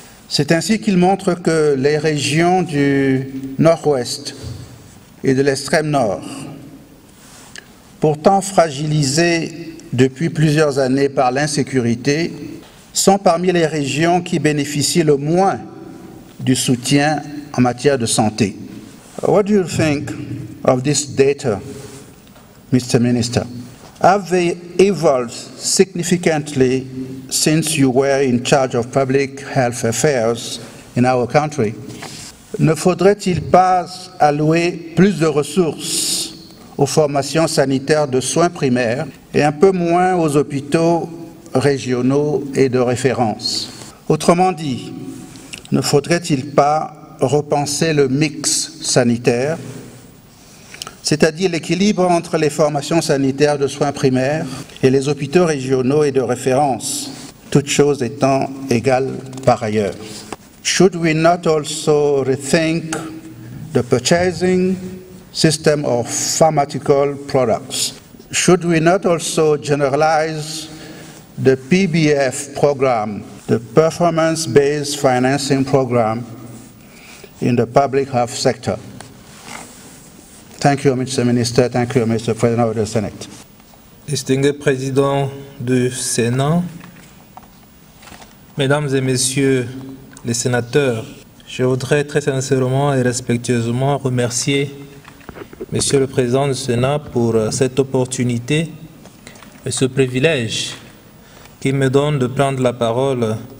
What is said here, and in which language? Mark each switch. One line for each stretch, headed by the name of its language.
French: C'est ainsi qu'il montre que les régions du Nord-Ouest et de l'extrême nord, pourtant fragilisées depuis plusieurs années par l'insécurité, sont parmi les régions qui bénéficient le moins du soutien en matière de santé.
English: What do you think of this data, Mr. Minister? Have they evolved significantly since you were in charge of public health affairs in our country?
French: Ne faudrait-il pas allouer plus de ressources aux formations sanitaires de soins primaires et un peu moins aux hôpitaux régionaux et de référence? Autrement dit, ne faudrait-il pas repenser le mix sanitaire, c'est-à-dire l'équilibre entre les formations sanitaires de soins primaires et les hôpitaux régionaux et de référence, toutes choses étant égales par ailleurs?
English: Should we not also rethink the purchasing system of pharmaceutical products? Should we not also generalize the PBF program, the performance-based financing program in the public health sector? Thank you, Mr. Minister. Thank you, Mr. President of the Senate.
French: Distingué président du Sénat, mesdames et messieurs les sénateurs, je voudrais très sincèrement et respectueusement remercier Monsieur le Président du Sénat pour cette opportunité et ce privilège qu'il me donne de prendre la parole